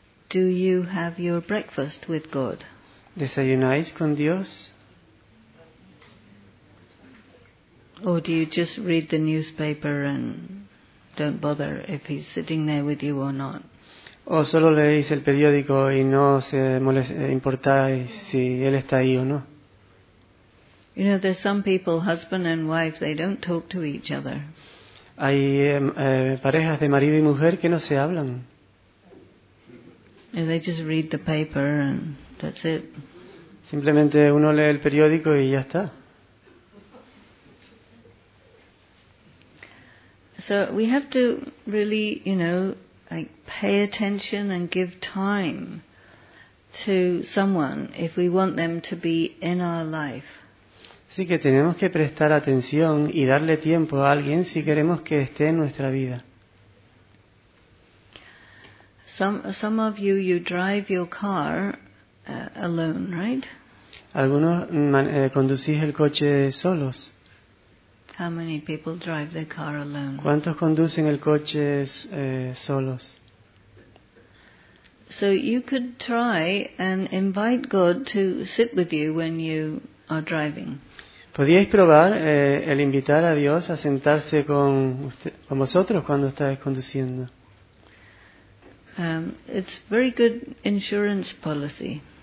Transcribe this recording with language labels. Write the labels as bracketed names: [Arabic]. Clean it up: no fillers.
[English] Do you have your breakfast with God? [Spanish] ¿Desayunáis con Dios? [English] Or do you just read the newspaper and don't bother if he's sitting there with you or not? [Spanish] ¿O solo leéis el periódico y no os importáis si él está ahí o no? [English] You know, there's some people, husband and wife, they don't talk to each other. [Spanish] Hay parejas de marido y mujer que no se hablan. [English] And they just read the paper and that's it. [Spanish] Simplemente uno lee el periódico y ya está. [English] So we have to really, you know, like pay attention and give time to someone if we want them to be in our life. [Spanish] Sí que tenemos que prestar atención y darle tiempo a alguien si queremos que esté en nuestra vida. [English] Some of you, you drive your car alone, right? [Spanish] Algunos conducís el coche solos. [English] How many people drive their car alone? [Spanish] ¿Cuántos conducen el coche solos? [English] So you could try and invite God to sit with you when you are driving. [Spanish] Podíais probar el invitar a Dios a sentarse con usted, con vosotros cuando estáis conduciendo. [English] It's very good insurance policy.